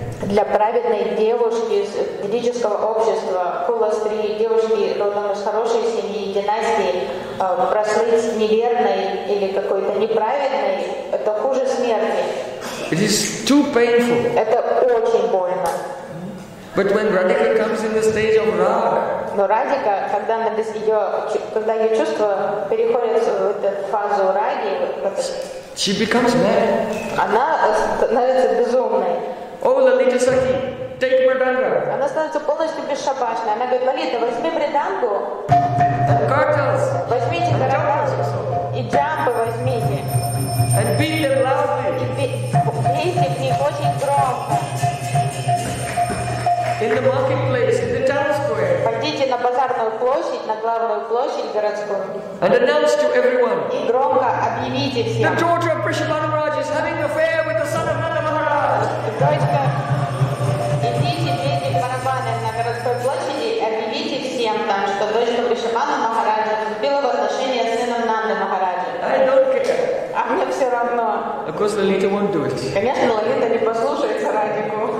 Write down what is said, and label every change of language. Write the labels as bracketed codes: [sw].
[ru] Для праведной девушки из ведического общества, кулластри, девушки родом из хорошей семьи, династии, прослыть неверной или какой-то неправедной, это хуже смерти. [en] It is too painful. [ru] Это очень больно. [en] But when Radhika comes in the stage of Raga. [ru] Но Радика, когда ее чувства переходят в эту фазу Раги, [en] she becomes mad. [ru] Она становится безумной. [en] Oh, Lalita Sakhi, take Mridanga. [ru] Она становится полностью бесшабашной. Она говорит, Лалита, возьми Мридангу. [en] And cartels. [ru] Возьмите каракас. И джампы возьмите. [en] And beat them loudly. [ru] И бейте в них очень громко. [en] In the marketplace, in the town square. [ru] Пойдите на базарную площадь, на главную площадь городскую. [en] And announce to everyone. [ru] И громко объявите всем. [en] The daughter of Prishabhana Raj is having an affair with the son of Nanda Maharaj. [ru] Дочка, идите вместе в барабаны на городской площади и объявите всем там, что дочка Прешамана Махараджа вступила в отношения с сыном Нанды Махараджа. [en] I don't care. [ru] А мне все равно. [en] Of course, Lalita won't do it. [ru] Конечно, Лолита не послушается Радику.